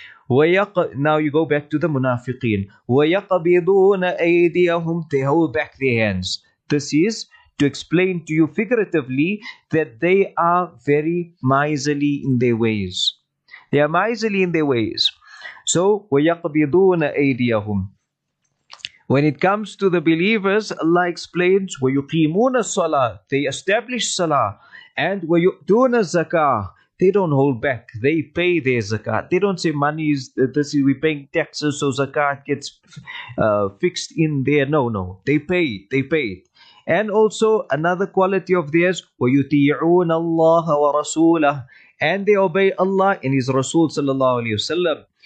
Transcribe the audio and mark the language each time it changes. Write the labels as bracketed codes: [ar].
[en] Now you go back to the munafiqeen. [ar] وَيَقَبِضُونَ أَيْدِيَهُمْ. [en] They hold back their hands. This is to explain to you figuratively that they are very miserly in their ways. They are miserly in their ways. [ar] So, وَيَقَبِضُونَ أَيْدِيَهُمْ. [en] When it comes to the believers, Allah explains, [ar] وَيُقِيمُونَ الصَّلَاةِ. [en] They establish salah. [ar] And وَيُؤْتُونَ الزَّكَاةِ. [en] They don't hold back. They pay their zakat. They don't say money is, this is, we're paying taxes, so zakat gets fixed in there. No, no. They pay. And also another quality of theirs, [ar] وَيُتِيعُونَ اللَّهَ وَرَسُولَهُ. [en] And they obey Allah and His Rasul sallallahu alayhi wasallam.